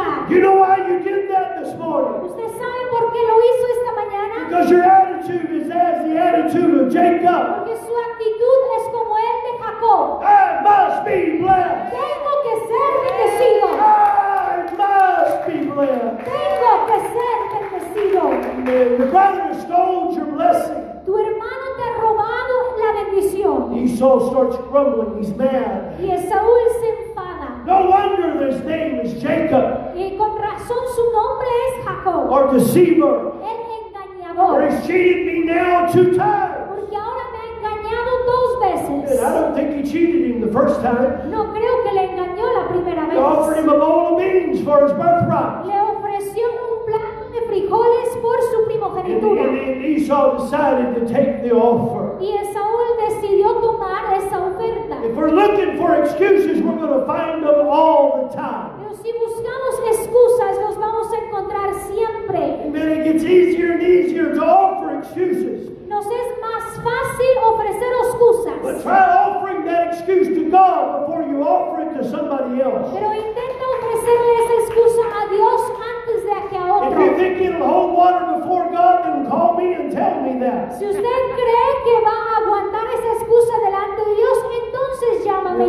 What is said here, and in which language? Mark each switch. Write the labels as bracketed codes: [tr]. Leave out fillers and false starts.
[en] You know why you did that this morning? [es] ¿Usted sabe por qué lo hizo esta mañana? [en] Because your attitude is as the attitude of Jacob. [es] Porque su actitud es como el de Jacob. [en] I must be blessed. [es] Tengo que ser bendecido. [en] I must be blessed. [es] Tengo que ser bendecido. [en] Amen. Your brother stole your blessing. [es] Tu hermano te ha robado la bendición. [en] Esau starts grumbling. He's mad. [es] Y Esaú se enfada. [en] No wonder his name is Jacob. [es] Y con razón su nombre es Jacob. [en] Or deceiver. [es] El engañador. [en] Or he's cheated me now two times. [es] Porque ahora me ha engañado dos veces. [en] And I don't think he cheated him the first time. [es] No creo que le engañó la primera vez. [en] He offered him a bowl of beans for his birthright. [es] Le ofreció un plato de frijoles por su primogenitura. [en] And Esau decided to take the offer. [es] Y Esaú decidió tomar esa oferta. [en] If we're looking for excuses, we're going to find them all the time. [es] Si buscamos excusas, los vamos a encontrar siempre. [en] Amen. It gets easier and easier to offer excuses. [es] Nos es más fácil ofrecer excusas. [en] But try offering that excuse to God before you offer it to somebody else. [es] Pero intenta ofrecerle esa excusa a Dios antes de que a otro. [en] If you think it'll hold water before God, then call me and tell me that. [es] Si usted cree que va a aguantar esa excusa delante de Dios, entonces llámame.